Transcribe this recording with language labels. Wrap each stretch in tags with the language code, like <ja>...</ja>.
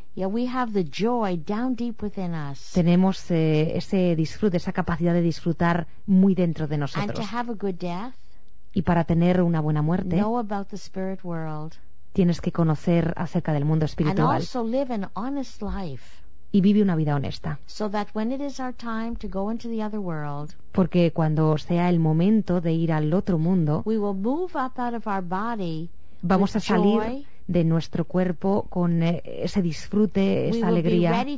<en>Yeah, we have the joy down deep within us.</en> <es>Tenemos ese disfrute, esa capacidad de disfrutar muy dentro de nosotros.</es> <en>And to have a good death,</en> <es>y para tener una buena muerte,</es> <en>know about the spirit world,</en> <es>tienes que conocer acerca del mundo espiritual.</es> <en>And also live an honest life.</en> <es>Y vive una vida honesta.</es> <en>So that when it is our time to go into the other world,</en> <es>porque cuando sea el momento de ir al otro mundo,</es> <en>we will move up out of our body,</en> <es>vamos a salir de nuestro cuerpo con ese disfrute, esa alegría.</es>